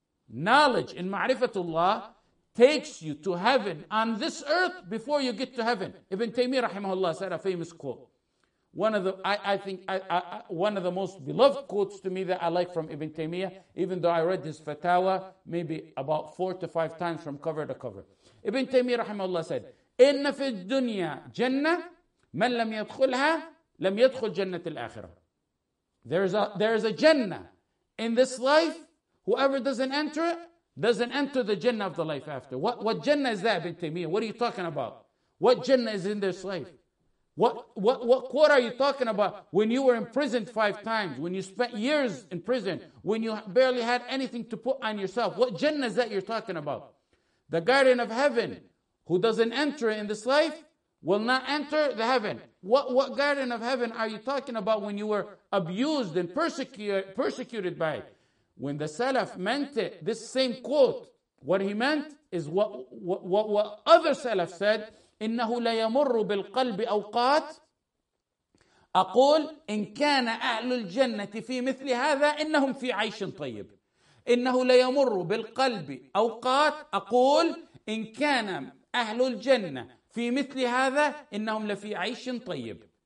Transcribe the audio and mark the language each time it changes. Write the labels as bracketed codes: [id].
[en] Knowledge in ma'rifatullah takes you to heaven on this earth before you get to heaven. Ibn Taymiyyah rahimahullah said a famous quote. One of the most beloved quotes to me that I like from Ibn Taymiyyah, even though I read this fatawa maybe about 4 to 5 times from cover to cover. [ar] Ibn Taymiyyah rahimahullah said, إِنَّ فِي الدُّنْيَا جَنَّةِ مَنْ لَمْ يَدْخُلْهَا لَمْ يَدْخُلْ جَنَّةِ الْآخِرَةِ. [en] There is a jannah in this life. Whoever doesn't enter it, doesn't enter the jannah of the life after. What jannah is that, Ibn Taymiyyah? What are you talking about? What jannah is in this life? What quote are you talking about? When you were imprisoned 5 times, when you spent years in prison, when you barely had anything to put on yourself, what jannah is that you're talking about? The garden of heaven, who doesn't enter in this life, will not enter the heaven. What garden of heaven are you talking about when you were abused and persecuted by it? When the Salaf meant it, this same quote, what he meant is what other Salaf said, [ar] إِنَّهُ لَيَمُرُّ بِالْقَلْبِ أَوْقَاتٍ أَقُولْ إِنْ كَانَ أَهْلُ الْجَنَّةِ فِي مِثْلِ هَذَا إِنَّهُمْ فِي عَيْشٍ طَيِّبٍ إِنَّهُ لَيَمُرُّ بِالْقَلْبِ أَوْقَاتٍ أَقُولْ إِنْ كَانَ أَهْلُ الْجَنَّةِ فِي مِثْلِ هَذَا إِنَّهُمْ لَفِي عَيْشٍ طَيِّبٍ.